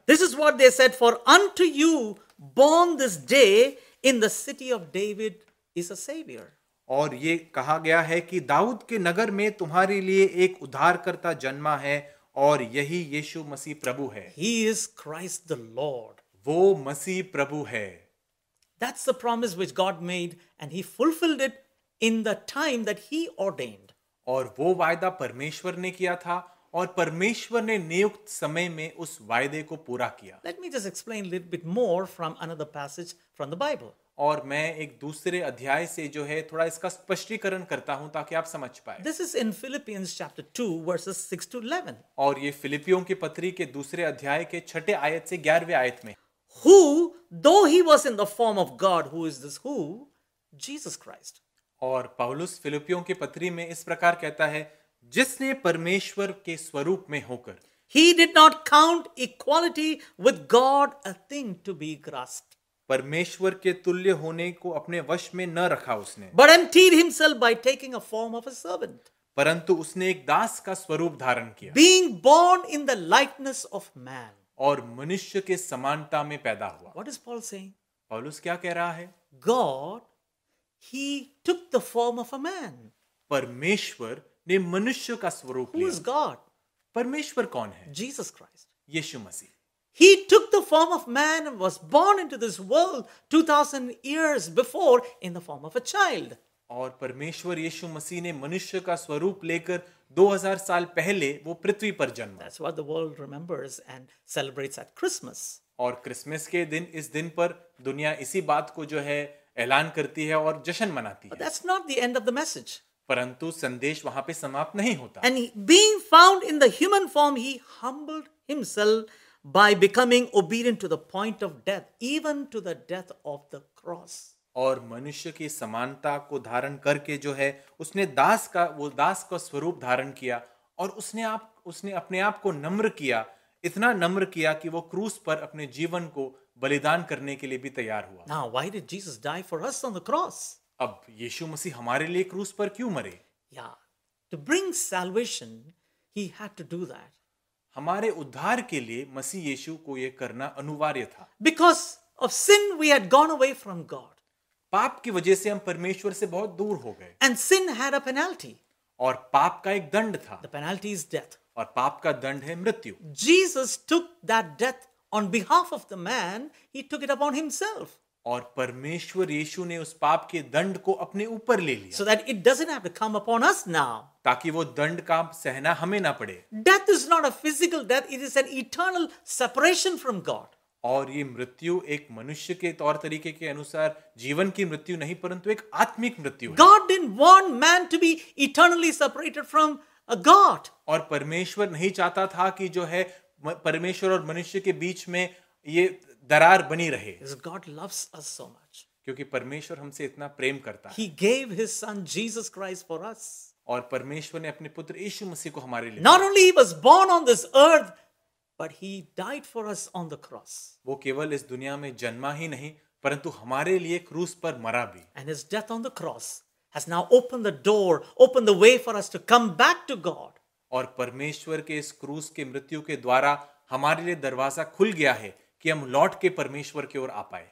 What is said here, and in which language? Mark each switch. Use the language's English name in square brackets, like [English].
[English] This is what they said, for unto you born this day in the city of David is a saviour. [Hindi] और ये कहा गया है कि दाऊद के नगर में तुम्हारे लिए एक उद्धारकर्ता जन्मा है और यही यीशु मसीह प्रभु है. [English] He is Christ the Lord. [Hindi] वो मसीह प्रभु है. [English] That's the promise which God made and he fulfilled it in the time that he ordained. [Hindi] और वो वायदा परमेश्वर ने किया था और परमेश्वर ने नियुक्त समय में उस वायदे को पूरा किया. [English] Let me just explain a little bit more from another passage from the Bible. [Hindi] और मैं एक दूसरे अध्याय से जो है थोड़ा इसका स्पष्टीकरण करता हूं ताकि आप समझ पाए. [English] This is in Philippians chapter 2 verses 6 to 11. [Hindi] और ये फिलिपियों की पत्री के दूसरे अध्याय के छठे आयत से 11वें आयत में. [English] Who, though he was in the form of God, who is this who? Jesus Christ. [Hindi] और पौलुस फिलिपियों की पत्री में इस प्रकार कहता है, जिसने परमेश्वर के स्वरूप में होकर. [English] He did not count equality with God a thing to be grasped. [Hindi] परमेश्वर के तुल्य होने को अपने वश में न रखा उसने. [English] But emptied himself by taking a form of a servant. [Hindi] परंतु उसने एक दास का स्वरूप धारण किया. [English] Being born in the likeness of man. [Hindi] और मनुष्य के समानता में पैदा हुआ. [English] What is Paul saying? [Hindi] पौलुस क्या कह रहा है? [English] God, he took the form of a man. [Hindi] परमेश्वर ने मनुष्य का स्वरूप लिया. [English] Who is God? [Hindi] परमेश्वर कौन है? [English] Jesus Christ. [Hindi] Yeshu Masih. [English] He took the form of man and was born into this world 2000 years before in the form of a child. [Hindi] और परमेश्वर यीशु मसीह ने मनुष्य का स्वरूप लेकर 2000 साल पहले वो पृथ्वी पर जन्मा. [English] That's what the world remembers and celebrates at Christmas. [Hindi] और क्रिसमस के दिन इस दिन पर दुनिया इसी बात को जो है ऐलान करती है और जश्न मनाती है. [English] That's not the end of the message. [Hindi] परंतु संदेश वहां पे समाप्त नहीं होता. [English] And being found in the human form, he humbled himself by becoming obedient to the point of death, even to the death of the cross. [Hindi] और मनुष्य की समानता को धारण करके जो है उसने दास का वो दास का स्वरूप धारण किया और उसने आप उसने अपने आप को नम्र किया, इतना नम्र किया कि वो क्रूस पर अपने जीवन को बलिदान करने के लिए भी तैयार हुआ. [English] Now, why did Jesus die for us on the cross? [Hindi] अब यीशु मसीह हमारे लिए क्रूस पर क्यों मरे? [English] Yeah, to bring salvation, he had to do that. [Hindi] हमारे उद्धार के लिए मसीह यीशु को यह करना अनिवार्य था. [English] Because of sin we had gone away from God. [Hindi] पाप की वजह से हम परमेश्वर से बहुत दूर हो गए. [English] And sin had a penalty. [Hindi] और पाप का एक दंड था. [English] The penalty is death. [Hindi] और पाप का दंड है मृत्यु. [English] Jesus took that death on behalf of the man. He took it upon himself. [Hindi] और परमेश्वर यीशु ने उस पाप के दंड को अपने ऊपर ले लिया. [English] So that it doesn't have to come upon us now. [Hindi] ताकि वो दंड का सहना हमें ना पड़े. [English] Death is not a physical death. It is an eternal separation from God. [Hindi] और ये मृत्यु एक मनुष्य के तौर तरीके के अनुसार जीवन की मृत्यु नहीं परंतु एक आत्मिक मृत्यु है. [English] God didn't want man to be eternally separated from a God. [Hindi] और परमेश्वर नहीं चाहता था कि जो है परमेश्वर और मनुष्य के बीच में ये दरार बनी रहे. [English] God loves us so much. [Hindi] क्योंकि परमेश्वर हमसे इतना प्रेम करता है. [English] He gave his son Jesus Christ for us. [Hindi] और परमेश्वर ने अपने पुत्र यीशु मसीह को हमारे लिए. [English] Not only he was born on this earth, but he died for us on the cross. [Hindi] वो केवल इस दुनिया में जन्मा ही नहीं परंतु हमारे लिए क्रूस पर मरा भी. [English] And his death on the cross has now opened the door, opened the way for us to come back to God. [Hindi] और परमेश्वर के इस क्रूस के मृत्यु के द्वारा हमारे लिए दरवाजा खुल गया है कि हम लौट के परमेश्वर की ओर आ पाए.